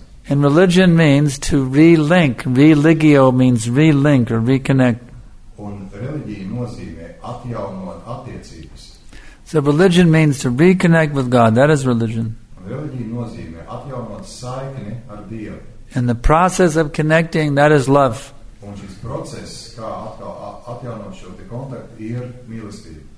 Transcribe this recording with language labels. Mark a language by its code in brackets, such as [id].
[en] And religion means to relink. Religio means relink or reconnect. [lv] Un religija nozīmē atjaunot attiecības. [en] So religion means to reconnect with God. That is religion. [lv] Un religija nozīmē atjaunot saikni ar Dievu. [en] And the process of connecting, that is love. [lv] Un šis process, kā atjaunot šo te kontaktu, ir mīlestība.